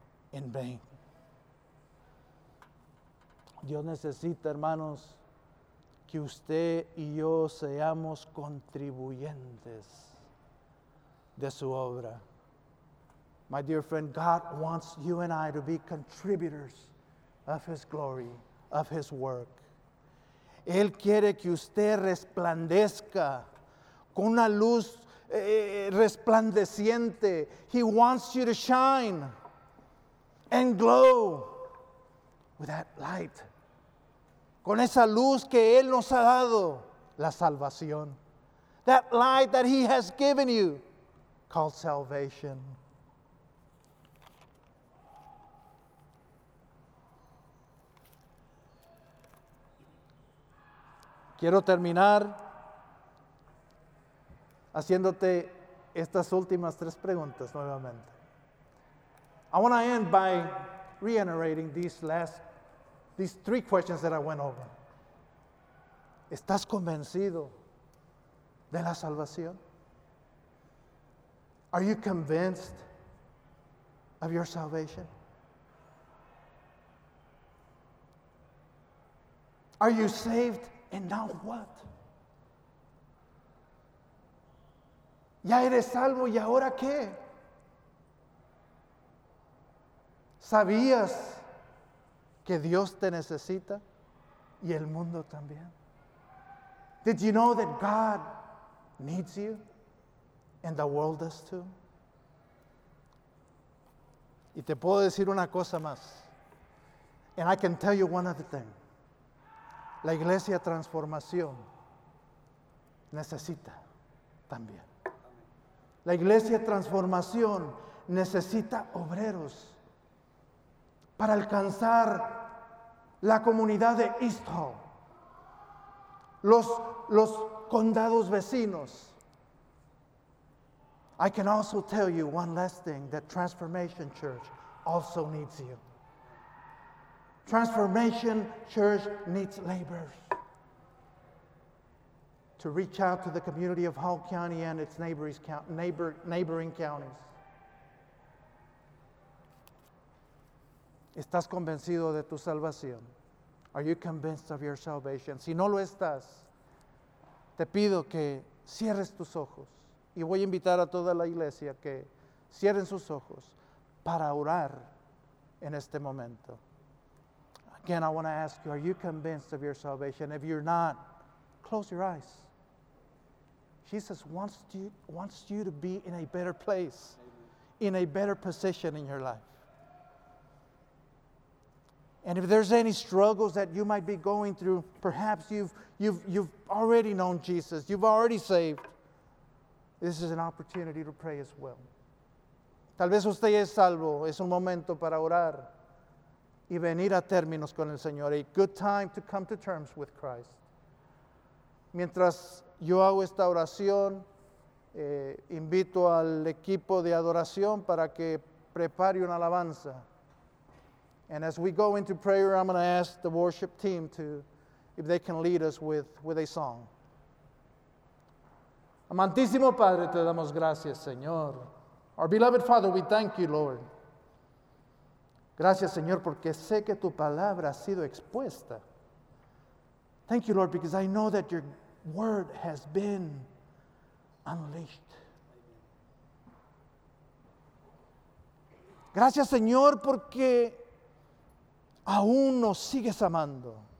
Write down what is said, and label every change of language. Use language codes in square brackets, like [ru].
[en] in vain. [es] Dios necesita, hermanos, que usted y yo seamos contribuyentes de su obra. [en] My dear friend, God wants you and I to be contributors of His glory, of His work. [es] Él quiere que usted resplandezca con una luz resplandeciente. [en] He wants you to shine and glow with that light. [es] Con esa luz que Él nos ha dado, la salvación. [en] That light that He has given you, called salvation. [es] Quiero terminar haciéndote estas últimas tres preguntas nuevamente. [en] I want to end by reiterating these three questions that I went over. [es] ¿Estás convencido de la salvación? [en] Are you convinced of your salvation? Are you saved? And now what? [es] ¿Ya eres salvo y ahora qué? ¿Sabías que Dios te necesita y el mundo también? [en] Did you know that God needs you and the world does too? [es] Y te puedo decir una cosa más. [en] And I can tell you one other thing. [es] La Iglesia Transformación necesita también. La Iglesia Transformación necesita obreros para alcanzar la comunidad de East Hall, los condados vecinos. [en] I can also tell you one last thing, that Transformation Church also needs you. Transformation Church needs laborers to reach out to the community of Hall County and its neighboring counties. [es] ¿Estás convencido de tu salvación? [en] Are you convinced of your salvation? [es] Si no lo estás, te pido que cierres tus ojos. Y voy a invitar a toda la iglesia que cierren sus ojos para orar en este momento. [en] Again, I want to ask you, are you convinced of your salvation? If you're not, close your eyes. Jesus wants you to be in a better place, in a better position in your life. And if there's any struggles that you might be going through, perhaps you've already known Jesus, you've already saved, this is an opportunity to pray as well. [es] Tal vez usted es salvo, es un momento para orar. Y venir a términos con el Señor. [en] A good time to come to terms with Christ. [es] Mientras yo hago esta oración, invito al equipo de adoración para que prepare una alabanza. [en] And as we go into prayer, I'm going to ask the worship team to, if they can lead us with a song. [es] Amantísimo Padre, te damos gracias, Señor. [en] Our beloved Father, we thank you, Lord. [es] Gracias, Señor, porque sé que tu palabra ha sido expuesta. [en] Thank you, Lord, because I know that your word has been unleashed. [es] Gracias, Señor, porque aún nos sigues amando.